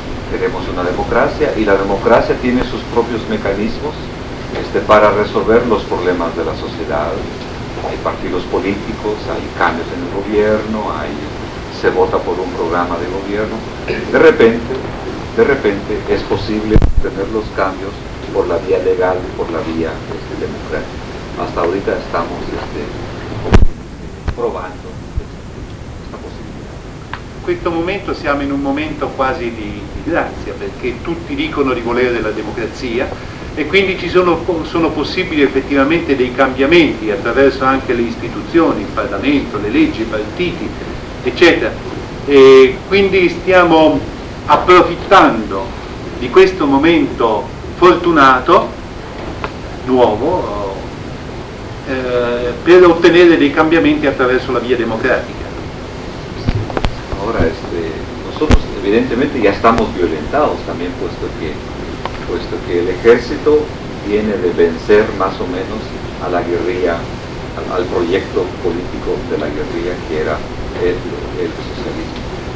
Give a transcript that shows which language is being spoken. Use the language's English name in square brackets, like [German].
[Spanish] Queremos una democracia y la democracia tiene sus propios mecanismos para resolver los problemas de la sociedad. Hay partidos políticos, hay cambios en el gobierno, se vota por un programa de gobierno. De repente es posible tener los cambios por la vía legal, por la vía democrática. Hasta ahorita estamos provando [Italian] questa possibilità. In questo momento siamo in un momento quasi di grazia, perché tutti dicono di volere la democrazia e quindi ci sono possibili effettivamente dei cambiamenti attraverso anche le istituzioni, il Parlamento, le leggi, i partiti, eccetera. E quindi stiamo approfittando di questo momento fortunato, nuovo, per ottenere dei cambiamenti attraverso la via democratica. [Spanish] Ora nosotros evidentemente ya estamos violentados también puesto que el ejército viene de vencer más o menos a la guerrilla, al proyecto político de la guerrilla que era el socialismo.